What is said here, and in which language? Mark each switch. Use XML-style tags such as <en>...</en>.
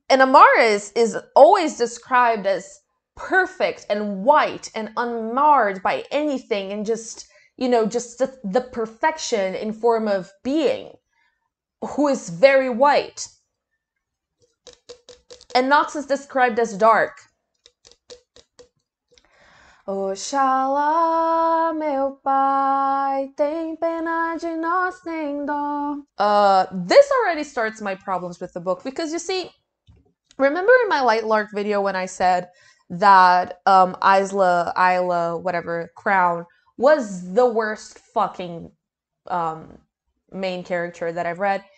<en>And Amaris is always described as perfect and white and unmarred by anything and just, you know, just the perfection in form of being who is very white. And Nox is described as dark.</en> <pt>Oxalá, meu pai, tem pena de nós, tem dó.</pt> <en>This already starts my problems with the book because you see, remember in my Lightlark video when I said that Isla, whatever, Crown was the worst fucking main character that I've read?</en>